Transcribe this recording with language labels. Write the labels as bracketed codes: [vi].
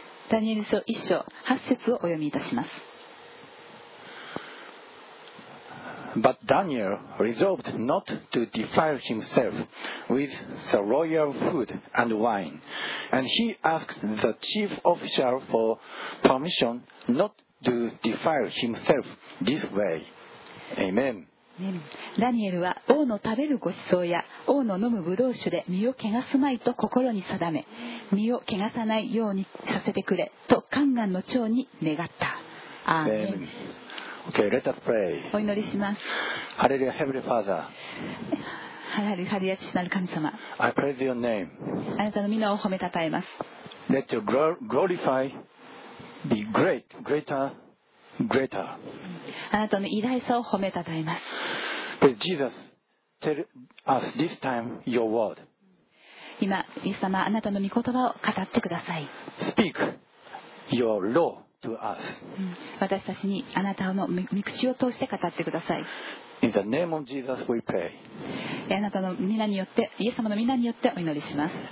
[ja] ダニエル書1章8節をお読みいたします。 [en] But Daniel resolved not to defile himself with the royal food and wine. And he asked the chief official for permission not to defile himself this way. Amen. [ja] ダニエルは王の食べるご馳走や王の飲むブドウ酒で身を汚すまいと心に定め、身を汚さないようにさせてくれと宦官の長に願った。アーメン。 [en] Okay, let us pray. [ja] お祈りします。 [en] Hallelujah, Heavenly Father. [ja] Hallelujah, 父なる神様。 [en] I praise your name. [ja] あなたの名を褒めたたえます。 [en] Let your glorify be great, greater, greater. [ja] あなたの偉大さを褒めたたえます。 [en] Please, Jesus, tell us this time your word. [ja] 今、イエス様、あなたの御言葉を語ってください。 [en] Speak your law. [ja] 私たちにあなたの御口を通して語ってください。 [en] In the name of Jesus we pray. [ja] あなたの皆によって、イエス様の皆によってお祈りします。